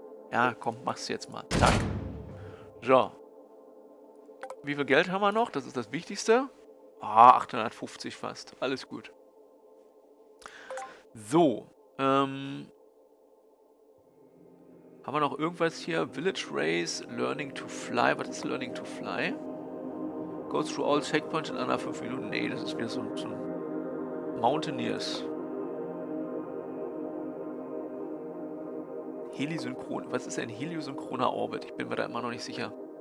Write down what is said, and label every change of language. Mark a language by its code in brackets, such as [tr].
[de] Ja, komm, mach's jetzt mal. Zack. So. Wie viel Geld haben wir noch? Das ist das Wichtigste. Ah, 850 fast. Alles gut. So. Haben wir noch irgendwas hier? Village Race, Learning to Fly. Was ist Learning to Fly? [en] Go through all checkpoints in under 5 Minuten. [de] Nee, das ist wieder so ein Mountaineers. Helisynchron. Was ist ein heliosynchroner Orbit? Ich bin mir da immer noch nicht sicher.